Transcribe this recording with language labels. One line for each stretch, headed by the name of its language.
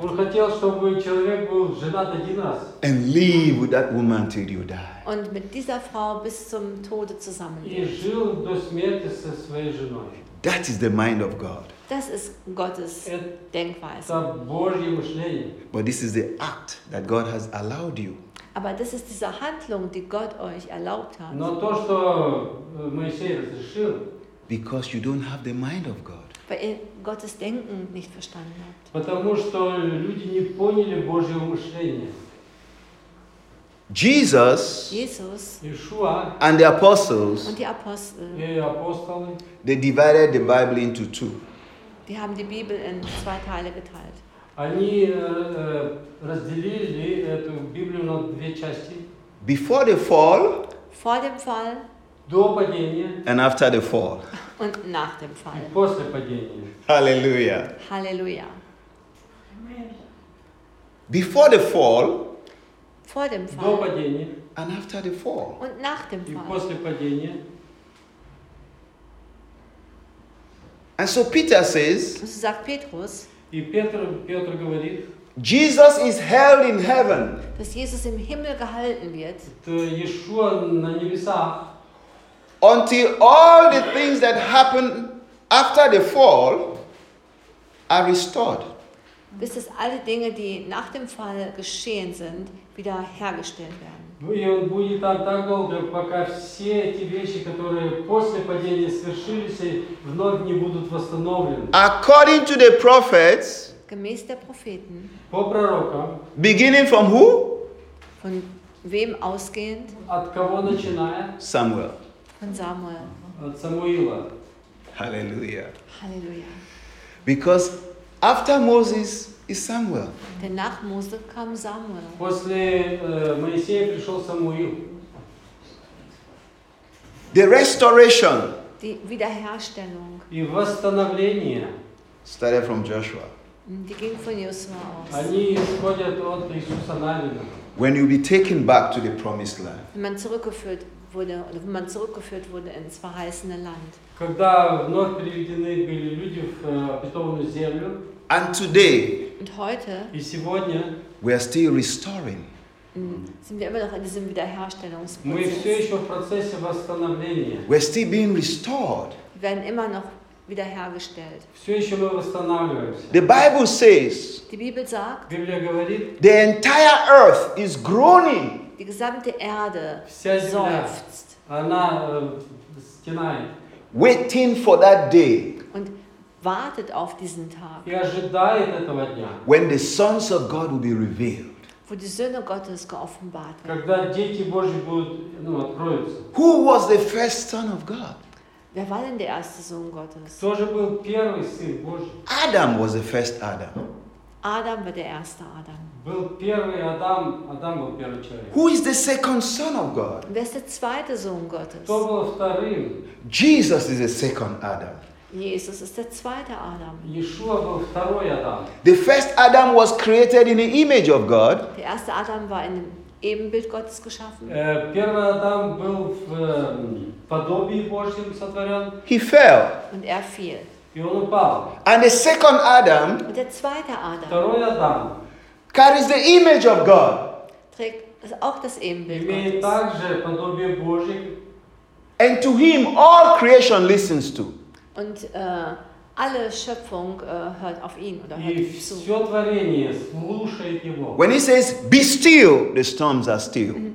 Russian: Он хотел, чтобы человек был женат один раз.
English: And live with that woman till you die.
German: Und mit dieser Frau bis zum Tode zusammenleben.
Russian: И жил до смерти со своей женой.
English: That is the mind of God.
German: Das ist Gottes Denkweise.
Russian: Это Божье мышление.
English: But this is the act that God has allowed you.
German: Aber das ist diese Handlung, die Gott euch erlaubt hat.
Russian: Но то, что Моисей разрешил.
English: Because you don't have the mind of God.
German: Weil ihr Gottes Denken nicht verstanden habt.
Russian: Потому что люди не поняли Божьего мышления.
English: Jesus,
German: Jesus,
Russian: Yeshua,
English: and the apostles,
German: und die Apostel,
English: they divided the Bible into two.
German: Die haben die Bibel in zwei Teile geteilt.
Russian: Они разделили эту Библию на две части.
English: Before the fall.
German: Vor dem Fall.
Russian: До падения.
English: And after the fall.
German: Und nach dem Fall.
Russian: И после падения. Hallelujah. Hallelujah.
English: Before the fall.
German: Vor dem Fall.
Russian: До падения.
English: And after the fall.
German: Und nach dem Fall.
Russian: И после падения.
English: And so Peter says.
German: Und so sagt Petrus.
Russian: И Петр говорит,
English: Jesus is held in heaven.
German: Dass Jesus im Himmel gehalten wird.
Russian: Yeshua на небесах.
English: Until all the things that happen after the fall are restored.
German: bis dass alle Dinge, die nach dem Fall geschehen sind, wieder hergestellt werden.
Russian: И он будет там так долго, пока все эти вещи, которые после падения свершились, вновь не будут восстановлены.
English: According to the prophets,
German: gemäß der Propheten,
Russian: по пророкам,
English: beginning from who?
German: Von wem ausgehend?
Russian: От кого начиная?
English: Samuel.
German: Von Samuel.
Russian: От Самуила. Hallelujah. Hallelujah.
English: Because after Moses is Samuel.
German: Denn nach Mose kam Samuel.
Russian: После Моисея пришел Самуил.
English: The restoration.
German: Die Wiederherstellung.
Russian: И восстановление.
English: Started from Joshua.
German: Die ging von Josua aus.
Russian: Они исходят от Иисуса Навина.
English: When you'll be taken back to the promised land.
German: Wenn man zurückgeführt wurde, oder wenn man zurückgeführt wurde ins verheißene Land.
Russian: Когда вновь приведены были люди в обетованную землю.
English: And today,
German: und heute,
Russian: и сегодня,
English: we are still restoring.
German: Sind wir immer noch in diesem Wiederherstellungsprozess.
Russian: Мы все еще в процессе восстановления.
English: We're still being restored.
German: Wir werden immer noch wiederhergestellt.
Russian: Все еще мы восстанавливаемся.
English: The Bible says,
German: die Bibel sagt,
Russian: Библия говорит,
English: the entire earth is groaning.
German: Die gesamte Erde seufzt.
Russian: Она стенает.
English: Waiting for that day.
German: Und wartet auf diesen Tag.
Russian: И ожидает этого дня.
English: When the sons of God will be revealed.
German: Wo die Söhne Gottes geoffenbart werden.
Russian: Когда дети Божьи будут, ну, откроются.
English: Who was the first son of God?
German: Wer war denn der erste Sohn Gottes?
Russian: Кто же был первый сын Божий?
English: Adam was the first Adam.
German: Adam war der erste Adam.
Russian: Был первый Адам, Адам был первый человек.
English: Who is the second son of God?
German: Wer ist der zweite Sohn Gottes?
Russian: Кто был вторым?
English: Jesus is the second Adam.
German: Jesus ist der zweite Adam.
Russian: Yeshua
German: war
Russian: второй Адам.
English: The first Adam was created in the image of God.
German: Der erste Adam war in dem Ebenbild Gottes geschaffen.
Russian: Первый Адам был в подобии Божьем сотворен.
English: He fell.
German: Und er fiel.
Russian: И он упал.
English: And the second Adam.
German: Und der zweite Adam.
Russian: Второй Адам.
English: Carries the image of God.
German: Trägt auch das Ebenbild Gottes.
Russian: Имеет также подобие Божье.
English: And to him all creation listens to.
German: Und alle Schöpfung hört auf ihn oder hört ihm zu.
Russian: Все творение слушает его.
English: When he says, "Be still," the storms are still.